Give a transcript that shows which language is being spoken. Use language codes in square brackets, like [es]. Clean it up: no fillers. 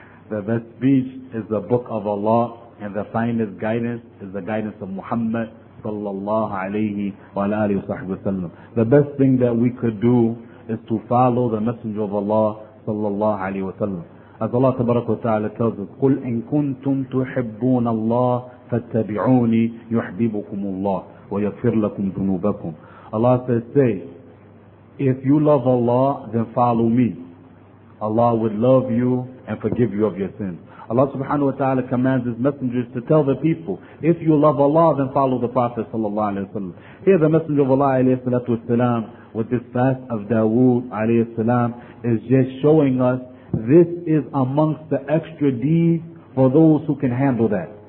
[en] The best speech is the book of Allah, and the finest guidance is the guidance of Muhammad [ar] صَلَى اللَّهُ عَلَيْهِ وَعَلَى آلِهِ وَصَحْبِهِ وَسَلَّمُ. [en] The best thing that we could do is to follow the Messenger of Allah sallallahu alayhi wa sallam. As Allah tabaraka wa ta'ala tells us, [ar] قُلْ إِن كُنْتُمْ تُحِبُّونَ اللَّهِ فَاتَّبِعُونِي يُحْبِبُكُمُ اللَّهِ وَيَغْفِرْ لَكُمْ ذُنُوبَكُمْ. [en] Allah says, say, if you love Allah, then follow me. Allah would love you and forgive you of your sins. Allah subhanahu wa ta'ala commands His messengers to tell the people, if you love Allah, then follow the Prophet sallallahu alayhi wa sallam. Here the Messenger of Allah alayhi salatu wa sallam, with this fast of Dawood alayhi salam, is just showing us this is amongst the extra deeds for those who can handle that.